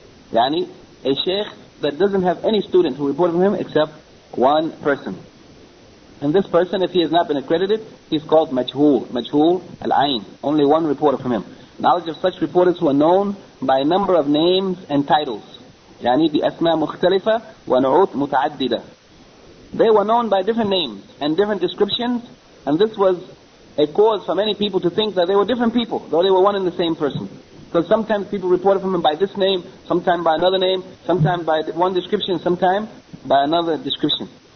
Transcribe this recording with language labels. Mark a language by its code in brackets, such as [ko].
[en] Yani, a sheikh that doesn't have any student who reported from him except one person. And this person, if he has not been accredited, he's called majhul, majhul al-ayn, only one reporter from him. Knowledge of such reporters who are known by a number of names and titles. [ar] يعني بأسماء مختلفة ونعوت متعددة. [en] They were known by different names and different descriptions, and this was a cause for many people to think that they were different people, though they were one and the same person. Because sometimes people reported from him by this name, sometimes by another name, sometimes by one description, sometimes by another description.